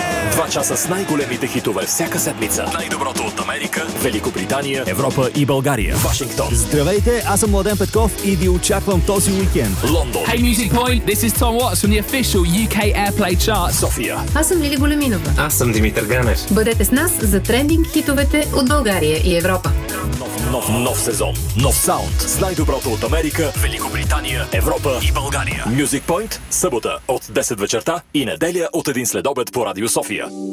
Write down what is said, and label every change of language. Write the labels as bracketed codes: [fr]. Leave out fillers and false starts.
[bg] Два часа с най-големите хитове всяка седмица. Най-доброто от Америка, Великобритания, Европа и България. Вашингтон. Здравейте, аз съм Младен Петков и ви очаквам този уикенд. Лондон. [en] Hey Music Point, this is Tom Watts from the official UK Airplay chart. [bg] София. Аз съм Лили Големинова. Аз съм Димитър Ганев. Бъдете с нас за трендинг хитовете от България и Европа. Нов сезон, нов саунд с най-доброто от Америка, Великобритания, Европа и България. Music Point, събота от 10 вечерта и неделя от 1 следобед по Радио София.